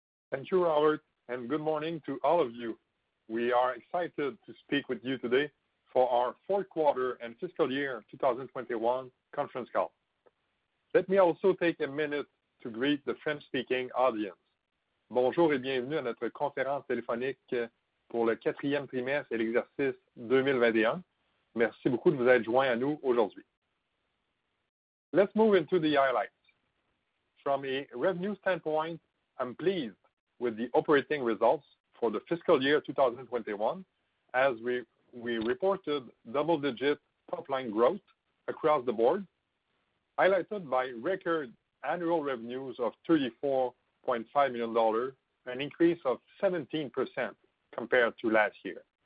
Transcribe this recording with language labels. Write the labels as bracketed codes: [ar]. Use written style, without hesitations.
[en] Thank you, Robert, and good morning to all of you. We are excited to speak with you today for our fourth quarter and fiscal year 2021 conference call. Let me also take a minute to greet the French-speaking audience. [fr] Bonjour et bienvenue à notre conférence téléphonique pour le quatrième trimestre et l'exercice 2021. Merci beaucoup de vous être joints à nous aujourd'hui. [en] Let's move into the highlights. From a revenue standpoint, I'm pleased with the operating results for the fiscal year 2021 as we reported double-digit top-line growth across the board, highlighted by record annual revenues of $34.5 million, an increase of 17% compared to last year.